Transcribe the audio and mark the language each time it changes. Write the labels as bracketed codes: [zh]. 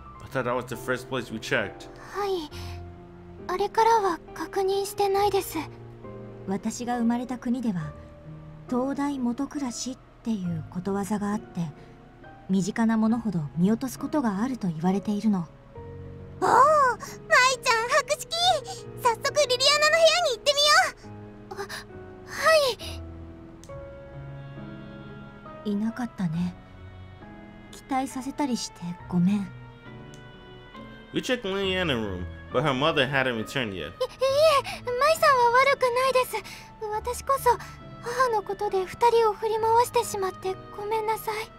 [en] I thought that was the first place we checked. [ja] はい。あれからは確認してないです。私が生まれた国では、東大元暮らしっていうことわざがあって、身近なものほど見落とすことがあると言われているの。おお、マイちゃん博識。早速リリアナの部屋に行ってみよう。はい。いなかったね。期待させたりしてごめん。 [en] We checked Liliana's room, but her mother hadn't returned yet. [ja] いえ、マイさんは悪くないです。私こそ母のことで二人を振り回してしまってごめんなさい。